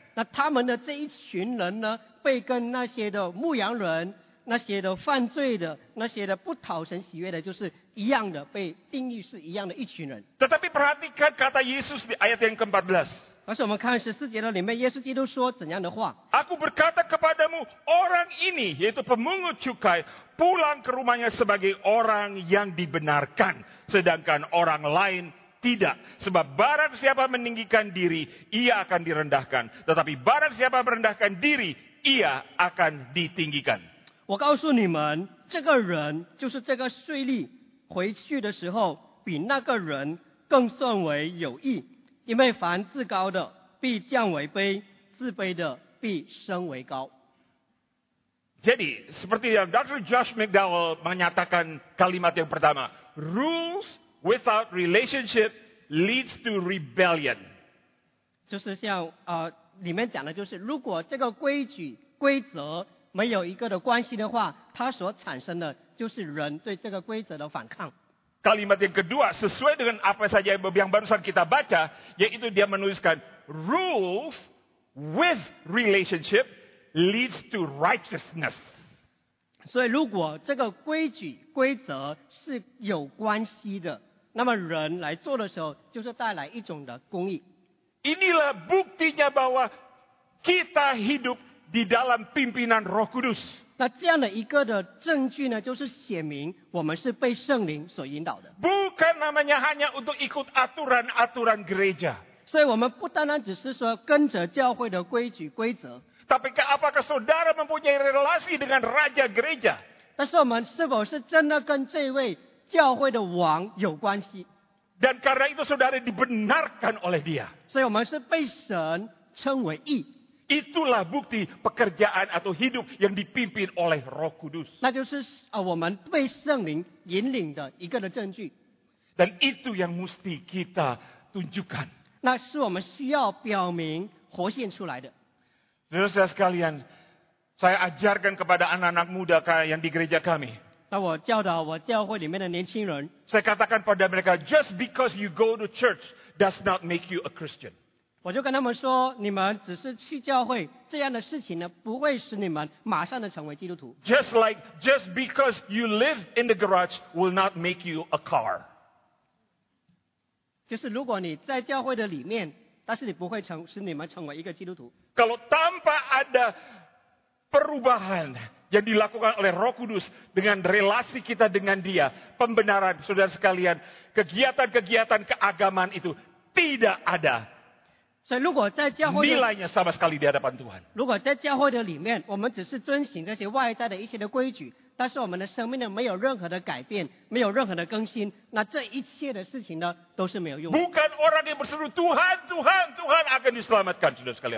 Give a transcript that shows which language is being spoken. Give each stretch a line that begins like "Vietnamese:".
Chinese: Nah, 他们的这一群人呢, 被跟那些的牧羊人, 那些的犯罪的，那些的不讨神喜悦的，就是一样的被定义是一样的一群人。
Indonesian: Tetapi perhatikan kata Yesus di ayat yang ke-14.
Chinese: 而是我们看十四节的里面，耶稣基督说怎样的话
Indonesian: ？Aku berkata kepadamu, orang ini yaitu pemungut cukai pulang ke rumahnya sebagai orang yang dibenarkan, sedangkan orang lain tidak. Sebab barang siapa meninggikan diri, ia akan direndahkan. Tetapi barang siapa merendahkan diri, ia akan ditinggikan.
Chinese: 我告诉你们，这个人就是这个税吏，回去的时候比那个人更算为有益。因为凡自高的必降为卑，自卑的必升为高。
Indonesian: Jadi, seperti yang Dr. Josh McDowell menyatakan kalimat yang pertama,
English: rules without relationship leads to rebellion.
Chinese: 就是像里面讲的就是，如果这个规矩规则没有一个的关系的话，它所产生的就是人对这个规则的反抗。
Indonesian: Kalimat yang kedua sesuai dengan apa saja yang barusan kita baca, yaitu dia menuliskan
English: rules with relationship leads to righteousness.
Chinese: 所以如果这个规矩规则是有关系的，那么人来做的时候就是带来一种的公义。
Indonesian: Inilah buktinya bahwa kita hidup di dalam pimpinan Roh Kudus。
Chinese: 那这样的一个的证据呢，就是显明我们是被圣灵所引导的。
Indonesian: Bukan namanya hanya untuk ikut aturan-aturan gereja。
Chinese: 所以我们不单单只是说跟着教会的规矩规则。
Indonesian: Tapi apakah saudara mempunyai relasi dengan raja gereja？
Chinese: 但是我们是否是真的跟这位教会的王有关系？
Indonesian: Dan karena itu saudara dibenarkan oleh dia。
Chinese: 所以我们是被神称为义。
Indonesian: Itulah bukti pekerjaan atau hidup yang dipimpin oleh Roh Kudus.
Chinese: 那就是我们被圣灵引领的一个的证据。
Indonesian: Dan itu yang mesti kita tunjukkan.
Chinese: 那是我们需要表明活现出来的。
Indonesian: Saudara sekalian, saya ajarkan kepada anak-anak muda yang di gereja kami.
Chinese: 那我教导我教会里面的年轻人。
Indonesian: Saya katakan pada mereka,
English: just because you go to church does not make you a Christian.
Chinese: 我就跟他们说，你们只是去教会这样的事情呢，不会使你们马上的成为基督徒。
English: Just like just because you live in the garage will not make you a car。
Chinese: 就是如果你在教会的里面，但是你不会成使你们成为一个基督徒。
Indonesian: Kalau tanpa ada perubahan yang dilakukan oleh Roh Kudus dengan relasi kita dengan Dia, pembenaran, saudara sekalian, kegiatan-kegiatan keagamaan itu tidak ada。
Chinese: 所以如果在教会的
Indonesian: nilainya sama sekali di hadapan Tuhan。
Chinese: 如果在教会的里面我们只是遵循这些外在的一些的规矩，但是我们的生命呢没有任何的改变，没有任何的更新，那这一切的事情呢都是没有用的。
Indonesian: Bukan orang yang berseru Tuhan, Tuhan, Tuhan akan diselamatkan, saudara sekalian。